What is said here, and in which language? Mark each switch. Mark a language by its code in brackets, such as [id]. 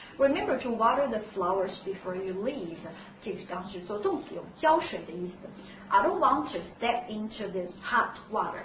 [en] Remember to water the flowers before you leave. [zh] 这个当时做动词用浇水的意思。 [en] I don't want to step into this hot water.